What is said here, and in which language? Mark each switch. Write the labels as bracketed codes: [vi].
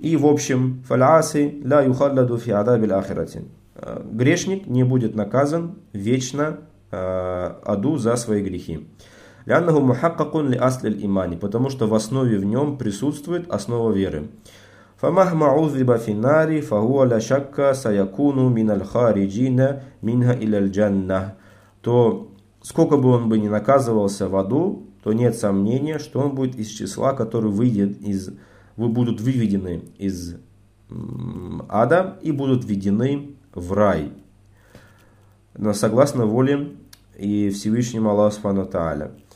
[ru] И в общем, [ar] فَالْعَاسِ لَا يُخَلَّدُ فِي عَذَابِ الْآخِرَةِ. [ru] Грешник не будет наказан вечно аду за свои грехи. [ar] لأنه محقق لأصل الإيمان, [ru] потому что в основе в нем присутствует основа веры. [ar] فمهما عذب في النار فهو لا شك سيكون من الخارجين منها إلى الجنة. [ru] То сколько бы он бы ни наказывался в аду, то нет сомнения, что он будет из числа, который выйдет из, будут выведены из ада и будут введены в рай. Но согласно воле и Всевышнему Аллаху Субхану ва Тааля.